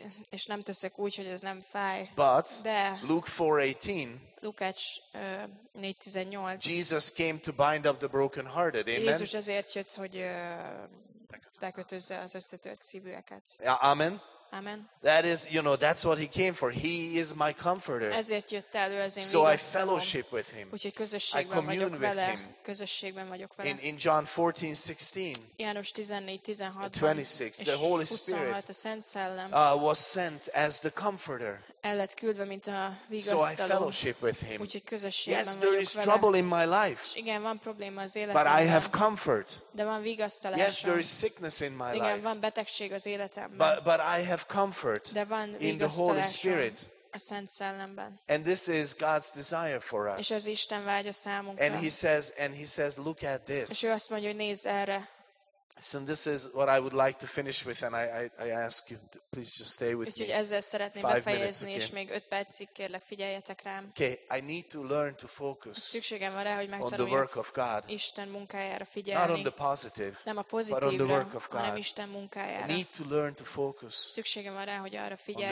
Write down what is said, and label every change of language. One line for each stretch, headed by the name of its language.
Hungarian: És nem teszek úgy, hogy ez nem fáj.
English: But
Hungarian: de
English: Luke 4:18
Hungarian: Lukács 4:18
English: Jesus came to bind up the broken hearted. Amen.
Hungarian: Jézus azért jött, hogy bekötözze az összetört szívűeket. Amen. Amen.
English: That is, you know, that's what he came for. He is my comforter.
Hungarian: Ezért jött el, ő az én
English: so I fellowship with him.
Hungarian: Úgyhogy közösségben vagyok vele. Közösségben vagyok vele.
English: In John 14:16.
Hungarian: János 14:16. 26.
English: The Holy Spirit was sent as the comforter.
Hungarian: El lett küldve, mint a vigasztaló.
English: So I fellowship with him.
Hungarian: Úgyhogy közösségben vagyok vele.
English: Yes, there is trouble in my life.
Hungarian: És igen, van probléma az életemben.
English: But I have comfort.
Hungarian: De van vigasztalásom.
English: Yes, there is sickness in my life.
Hungarian: Igen, van betegség az életemben.
English: But I have comfort in the Holy Spirit.
Hungarian: a Szent Szellemben.
English: And this is God's desire for us.
Hungarian: És ez Isten vágya számunkra.
English: And he says, look at this.
Hungarian: És ő azt mondja, hogy nézz erre.
English: So this is what I would like to finish with, and I ask you, please just stay with me.
Hungarian: Úgyhogy ezzel szeretném befejezni, és még 5 percig kérlek, figyeljetek rám.
English: Okay, I need to learn to focus.
Hungarian: Szükségem van rá, hogy megtanuljam Isten munkájára figyelni.
English: Not on the positive,
Hungarian: nem a pozitívra,
English: but on the work of God.
Hungarian: Hanem Isten munkájára.
English: I need to learn to focus.
Hungarian: Szükségem van rá, hogy arra figyeljek.